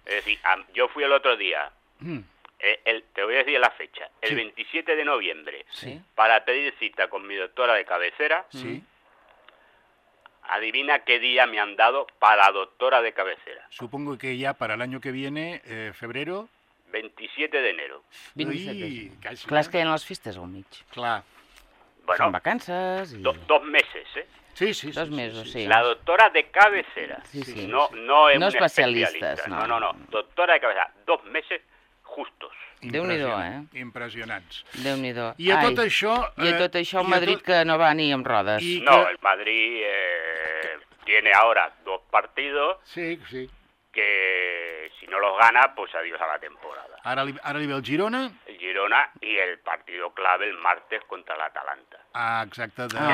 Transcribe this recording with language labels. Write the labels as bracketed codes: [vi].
[es] Es decir, yo fui el otro día, te voy a decir la fecha, el 27 de noviembre, ¿sí? Para pedir cita con mi doctora de cabecera. Sí. Adivina qué día me han dado para la doctora de cabecera. Supongo que ya para el año que viene, febrero. 27 de enero. 27. [ca] Clar, és que hi ha les festes al mig. Clar. Bueno, són vacances i... [es] Dos meses, eh? Sí, sí, sí. [ca] Dos mesos, sí. [es] La doctora de cabecera. Sí, sí. No [ca] especialistes, no. [es] No. Doctora de cabecera. 2 meses justos. [ca] Déu-n'hi-do, eh? Impressionants. Déu-n'hi-do. I a tot això... I a tot això, Madrid, que no va ni amb rodes. [es] No, el Madrid tiene ahora 2 partidos... Sí, sí. ...que si no los gana, pues adiós a la temporada. [ca] Ara li ve el Girona. El Girona i el [es] partido clave el martes [ca] contra l'Atalanta. Ah, exacte.